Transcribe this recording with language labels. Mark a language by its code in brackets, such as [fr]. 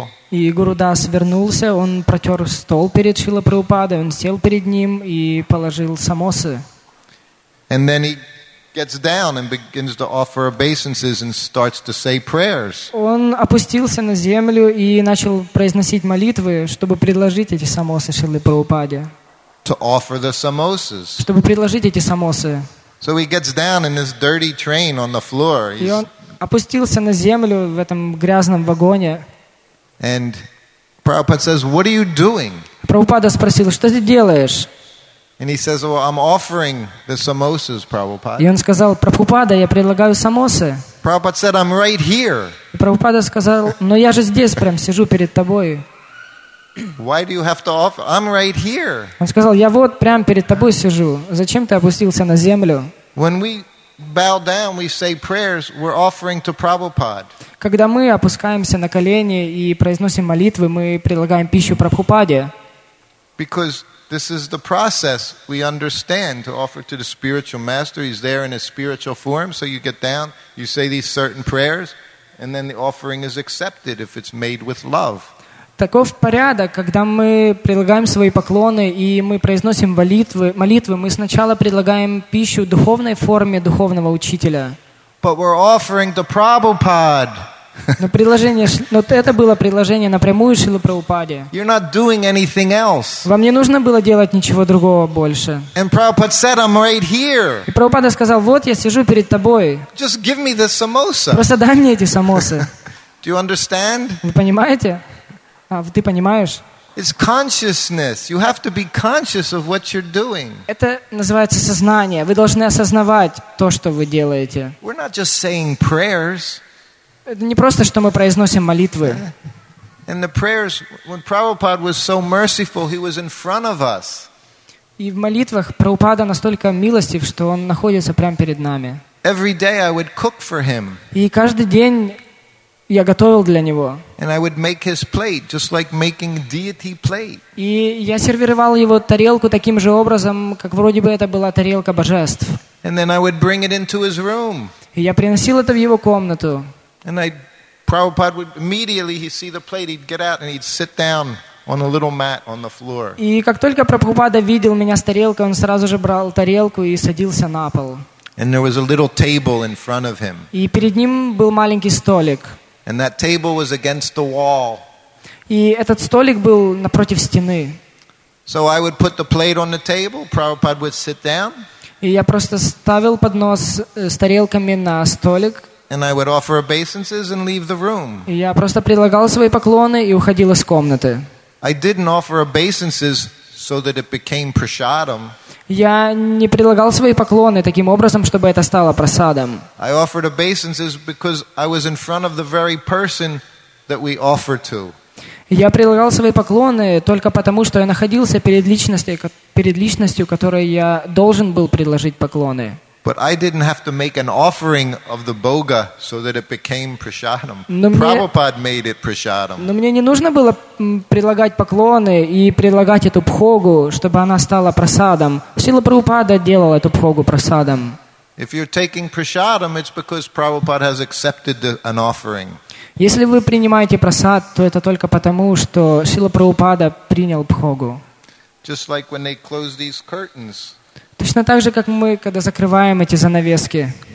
[ru] И Гурудас вернулся, он протер стол перед Шрила Прабхупадой, он сел перед ним и положил самосы. [en] And then he gets down and begins to offer obeisances and starts to say prayers. [ru] Он опустился на землю и начал произносить молитвы, чтобы предложить эти самосы Шриле Прабхупаде. [en] To offer the samosas. [ru] Чтобы предложить эти самосы. [en] So he gets down in this dirty train on the floor. [ru] И он опустился на землю в этом грязном вагоне. [en] And Prabhupada says, "What are you doing?" [ru] Прабхупада спросил, что ты делаешь? [en] And he says, "Well, I'm offering the samosas, Prabhupada." [ru] И он сказал, Прабхупада, я предлагаю самосы. [en] Prabhupada said, "I'm right here." [ru] Прабхупада сказал, но я же здесь прям сижу перед тобой. [en] Why do you have to offer? I'm right here. [ru] Он сказал, я вот прям перед тобой сижу. Зачем ты опустился на землю? [en] When we bow down, we say prayers. We're offering to Prabhupada. [ru] Когда мы опускаемся на колени и произносим молитвы, мы предлагаем пищу Прабхупаде. [en] Because this is the process we understand to offer to the spiritual master. He's there in his spiritual form. So you get down, you say these certain prayers, and then the offering is accepted if it's made with love. [ru] Таков порядок, когда мы предлагаем свои поклоны и мы произносим молитвы, мы сначала предлагаем пищу в духовной форме духовного учителя. [en] But we're offering to Prabhupada. [ru] Но предложение, но это было предложение напрямую Шрилы Прабхупаде. [en] You're not doing anything else. [ru] Вам не нужно было делать ничего другого больше. [en] And Prabhupada said, "I'm right here." [ru] И Прабхупада сказал, вот я сижу перед тобой. [en] Just give me the samosa. [ru] Просто дай мне эти самосы. [en] Do you understand? [ru] Вы понимаете? А ты понимаешь? [en] It's consciousness. You have to be conscious of what you're doing. [ru] Это называется сознание. Вы должны осознавать то, что вы делаете. [en] We're not just saying prayers. [ru] Это не просто, что мы произносим молитвы. [en] And the prayers, when Prabhupada was so merciful, he was in front of us. [ru] И в молитвах Прабхупада настолько милостив, что он находится прямо перед нами. [en] Every day I would cook for him. [ru] И каждый день я готовил для него. [en] And I would make his plate, just like making deity plate. [ru] И я сервировал его тарелку таким же образом, как вроде бы это была тарелка божеств. [en] And then I would bring it into his room. [ru] И я приносил это в его комнату. [en] And Prabhupada would immediately he'd see the plate, he'd get out and he'd sit down on a little mat on the floor. [ru] И как только Прабхупада видел меня с тарелкой, он сразу же брал тарелку и садился на пол. [en] And there was a little table in front of him. [ru] И перед ним был маленький столик. [en] And that table was against the wall. [ru] И этот столик был напротив стены. [en] So I would put the plate on the table, Prabhupada would sit down. [ru] И я просто ставил поднос с тарелками на столик. [en] And I would offer obeisances and leave the room. [ru] И я просто предлагал свои поклоны и уходил из комнаты. [en] I didn't offer obeisances so that it became prasadam. [ru] Я не предлагал свои поклоны таким образом, чтобы это стало просадом. [en] I offered obeisances because I was in front of the very person that we offer to. [ru] Я предлагал свои поклоны только потому, что я находился перед личностью, которой я должен был предложить поклоны. [en] But I didn't have to make an offering of the boga so that it became prasadam. Prabhupada made it prasadam. [ru] Но мне не нужно было предлагать поклоны и предлагать эту пхогу, чтобы она стала прасадом. Шрила Прабхупада делал эту пхогу прасадом. [en] If you're taking prasadam, it's because Prabhupada has accepted an offering. [ru] Если вы принимаете прасад, то это только потому, что Шрила Прабхупада принял пхогу. [en] Just like when they close these curtains. [ru] Точно так же, как мы, когда закрываем эти занавески.